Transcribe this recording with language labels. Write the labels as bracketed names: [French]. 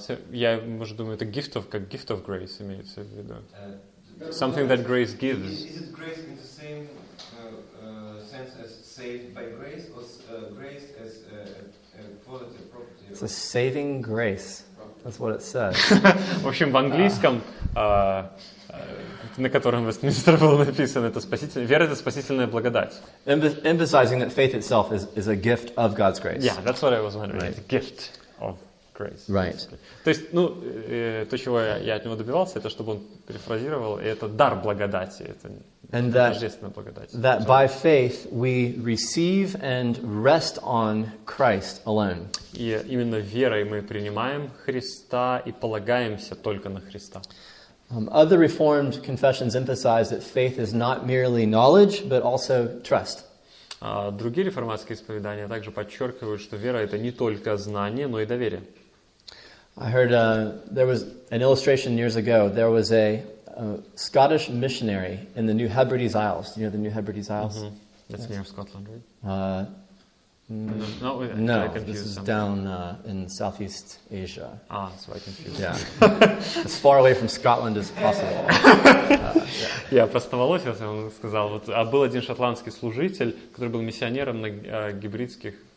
[Russian] Я может думаю это [English] gift of [Russian] как [English] gift of grace [Russian] имеется в виду. [English] Something that grace gives. Is it grace in the same sense as saved by grace, or grace as a quality property? It's a saving grace. That's what it says. [Russian] В общем, в английском, на котором Вестминстер был написан, это спасительная вера, это спасительная благодать. [English] Emphasizing that faith itself is a gift of God's grace. Yeah, that's what I was wondering. Right. A gift of grace. Right. [Russian] То есть, ну, то, чего я от него добивался, это чтобы он перефразировал, это дар благодати, это божественная благодать. [English] That by faith we receive and rest on Christ alone. [Russian] И именно верой мы принимаем Христа и полагаемся только на Христа. [English] Other Reformed confessions emphasize that faith is not merely knowledge, but also trust. [Russian] Другие реформатские исповедания также подчеркивают, что вера это не только знание, но и доверие. [English] I heard there was an illustration years ago. There was a Scottish missionary in the New Hebrides Isles. Do you know the New Hebrides Isles? Mm-hmm. That's near Scotland, right? No, this is down in Southeast Asia. Ah, so I confused. Yeah, as far away from Scotland as possible. [Russian] Я просто волосился, он сказал. Вот, а был один шотландский служитель, который был миссионером на гибридских.